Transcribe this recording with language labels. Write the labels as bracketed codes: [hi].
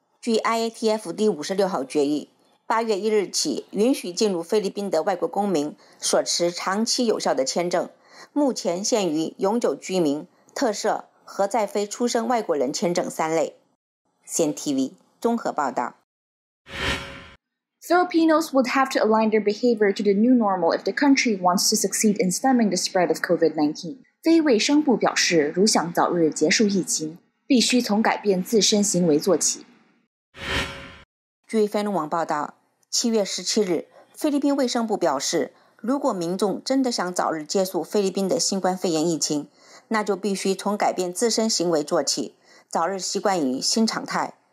[zh] 据 IATF 第56号决议，8月1日起允许进入菲律宾的外国公民所持长期有效的签证，目前限于永久居民、特赦和在非出生外国人签证三类。 CNTV 综合报道。 [en] Filipinos would have to align their behavior to the new normal if the country wants to succeed in stemming the spread of COVID-19. [zh] 非卫生部表示，如想早日结束疫情，必须从改变自身行为做起。据菲律宾网报道，7月17日，菲律宾卫生部表示，如果民众真的想早日结束菲律宾的新冠肺炎疫情，那就必须从改变自身行为做起，早日习惯于新常态。